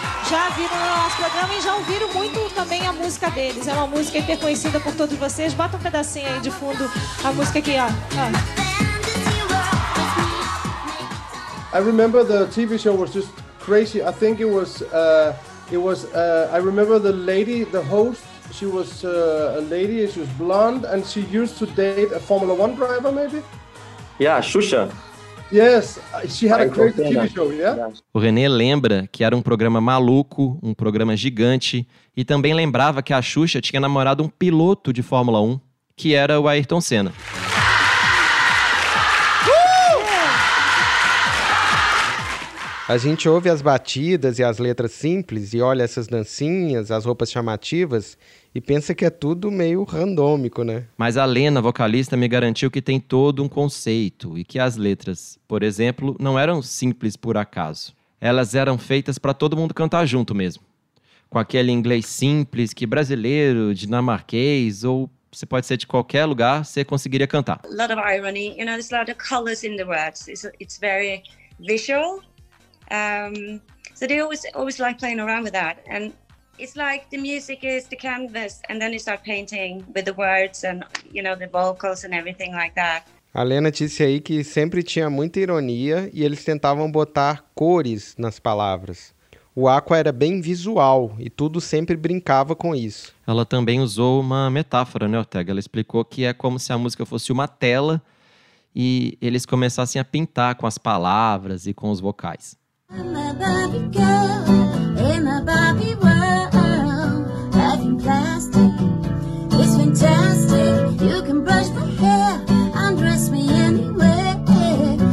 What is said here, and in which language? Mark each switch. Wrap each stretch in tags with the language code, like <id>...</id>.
<pt>já viram no nosso programa e já ouviram muito também a música deles. É uma música interconhecida por todos vocês. Bota um pedacinho aí de fundo a música aqui, ó.</pt> <en>I remember the TV show was just crazy. I think I remember the lady, the host, she was a lady, she was blonde, and she used to date a Formula One driver, maybe? Yeah, Xuxa. Yes, she had a great TV show, yeah?</en> <pt>O René lembra que era um programa maluco, um programa gigante, e também lembrava que a Xuxa tinha namorado um piloto de Fórmula 1, que era o Ayrton Senna. A gente ouve as batidas e as letras simples e olha essas dancinhas, as roupas chamativas e pensa que é tudo meio randômico, né? Mas a Lena, vocalista, me garantiu que tem todo um conceito e que as letras, por exemplo, não eram simples por acaso. Elas eram feitas para todo mundo cantar junto mesmo. Com aquele inglês simples que brasileiro, dinamarquês ou você pode ser de qualquer lugar, você conseguiria cantar.</pt> <en>A lot of irony, you know, there's a lot of colors in the words. It's very visual. So they always like playing around with that, and it's like the music is the canvas, and then you start painting with the words and, you know, the vocals and everything like that.</en> <pt>A Lena disse aí que sempre tinha muita ironia e eles tentavam botar cores nas palavras. O Aqua era bem visual e tudo sempre brincava com isso. Ela também usou uma metáfora, né, Ortega? Ela explicou que é como se a música fosse uma tela e eles começassem a pintar com as palavras e com os vocais.</pt> <en>I'm a Barbie girl in a Barbie world. Life in plastic is fantastic. You can brush my hair and dress me anywhere.</en>